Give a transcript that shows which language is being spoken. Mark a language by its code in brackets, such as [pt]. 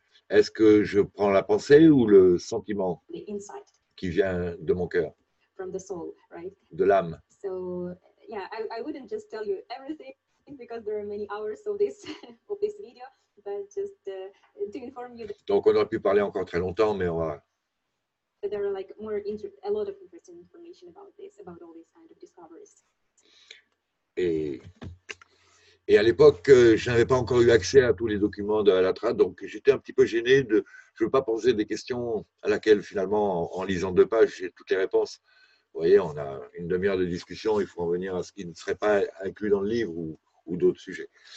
[fr] Est-ce que je prends la pensée ou le sentiment qui vient de mon cœur, de l'âme? Donc, on aurait pu parler encore très longtemps, mais on va... [en] There are like more a lot of interesting information about this, about all these kind of discoveries. [fr] Et à l'époque, je n'avais pas encore eu accès à tous les documents de Alatra, donc j'étais un petit peu gêné. Je ne veux pas poser des questions à laquelle finalement, en lisant deux pages, j'ai toutes les réponses. Vous voyez, on a une demi-heure de discussion, il faut en venir à ce qui ne serait pas inclus dans le livre ou d'autres sujets.